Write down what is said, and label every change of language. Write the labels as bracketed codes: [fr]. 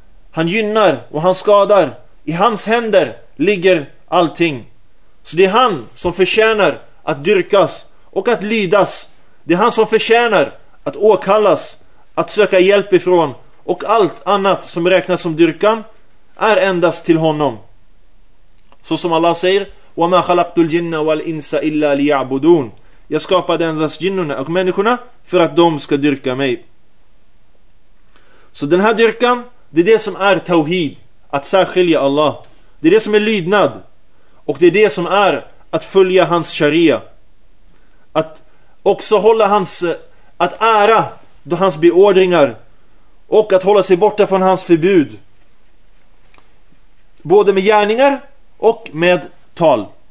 [sv] Han gynnar och han skadar. I hans händer ligger allting. Så det är han som förtjänar att dyrkas och att lydas. Det är han som förtjänar att åkallas, att söka hjälp ifrån. Och allt annat som räknas som dyrkan är endast till honom. Så som Allah säger: [ar] وَمَا خَلَقْتُ الْجِنَّ وَالْإِنسَ إِلَّا لِيَعْبُدُونَ. [sv] Jag skapade endast jinnorna och människorna för att de ska dyrka mig. Så den här dyrkan, det är det som är tawhid, att särskilja Allah. Det är det som är lydnad. Och det är det som är att följa hans sharia. Att också hålla hans, att ära då hans beordringar, och att hålla sig borta från hans förbud, både med gärningar och med tal.